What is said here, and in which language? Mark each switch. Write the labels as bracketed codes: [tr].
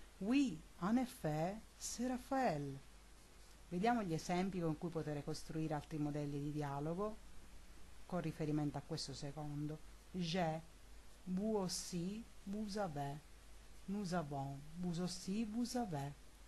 [fr] Oui, en effet, c'est Raphaël. [it] Vediamo gli esempi con cui poter costruire altri modelli di dialogo con riferimento a questo secondo. [fr] J'ai. Vous aussi, vous avez. Nous avons. Vous aussi, vous avez.